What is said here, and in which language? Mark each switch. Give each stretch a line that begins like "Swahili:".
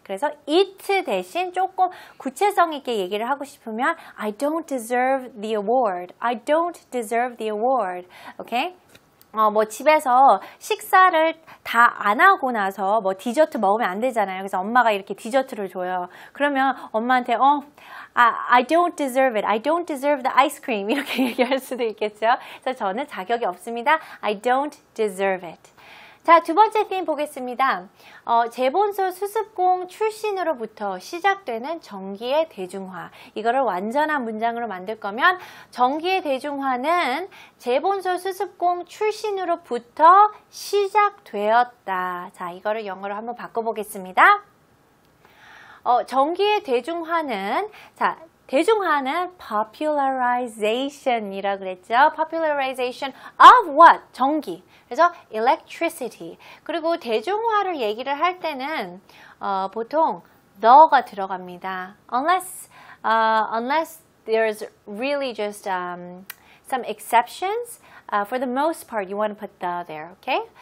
Korean: 그래서 it 대신 조금 구체성 있게 얘기를 하고 싶으면
English: I don't deserve the award. I don't deserve the award. Okay?
Korean: 뭐 집에서 식사를 다 안 하고 나서 뭐 디저트 먹으면 안 되잖아요. 그래서 엄마가 이렇게 디저트를 줘요. 그러면 엄마한테
English: I don't deserve it. I don't deserve the ice cream.
Korean: 이렇게 얘기할 수도 있겠죠. 그래서 저는 자격이 없습니다.
English: I don't deserve it.
Korean: 자, 두 번째 팀 보겠습니다. 재본소 수습공 출신으로부터 시작되는 전기의 대중화. 이거를 완전한 문장으로 만들 거면 전기의 대중화는 재본소 수습공 출신으로부터 시작되었다. 자, 이거를 영어로 한번 바꿔보겠습니다. 전기의 대중화는, 자, 대중화는 popularization이라고 그랬죠.
English: popularization of what?
Korean: 전기. 그래서
English: electricity.
Korean: 그리고 대중화를 얘기를 할 때는 보통 the가 들어갑니다.
English: Unless there's really just some exceptions, for the most part, you want to put the there, okay?